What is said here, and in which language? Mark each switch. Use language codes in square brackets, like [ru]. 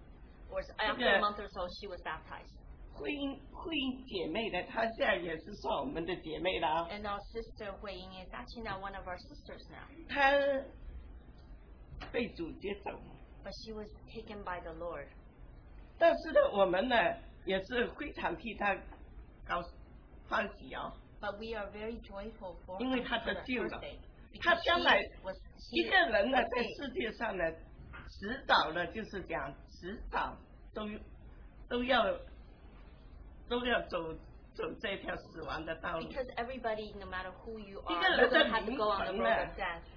[zh] 到后来的时候呢，就过了几个月。 [en] So after a month or so, she was baptized. [zh] 慧英姐妹呢，她现在也是算我们的姐妹了。 [en] And our sister 慧英 is actually now one of our sisters now. [zh] 她被主接走。 [en] But she was taken by the Lord. [zh] 但是呢，我们呢也是非常替她高欢喜啊。 [en] But we are very joyful for her. [zh] 因为她得救了。他将来一个人呢，在世界上呢，迟早呢，就是讲迟早都要走这条死亡的道路。 [en] Because everybody, no matter who you are, you have to go on the road of death.